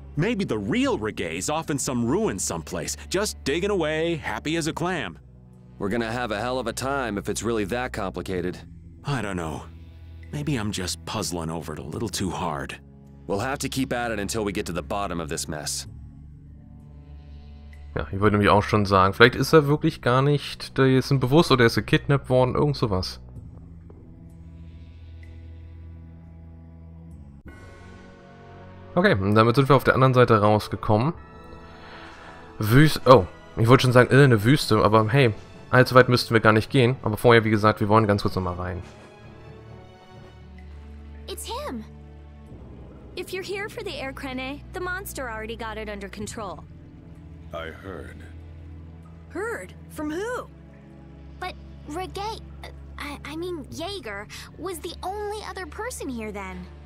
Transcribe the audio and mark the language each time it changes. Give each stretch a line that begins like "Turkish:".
English: Maybe the real Regae's off in some ruin someplace, just digging away, happy as a clam. We're gonna have a hell of a time if it's really that complicated. I don't know. Maybe I'm just puzzling over it a little too hard. We'll have to keep at it until we get to the bottom of this mess.
German: Ja, ich würde nämlich auch schon sagen, vielleicht ist er wirklich gar nicht, der ist ihm bewusst oder er ist gekidnappt worden, irgend sowas. Okay, damit sind wir auf der anderen Seite rausgekommen. Eine Wüste, aber hey, allzu weit müssten wir gar nicht gehen. Aber vorher, wie gesagt, wir wollen ganz kurz nochmal rein.
English: It's him. If you're here for the Erkrenne, the monster already got it under control. I heard. Heard? From who? But Regae, Jaeger, was the only other person here then.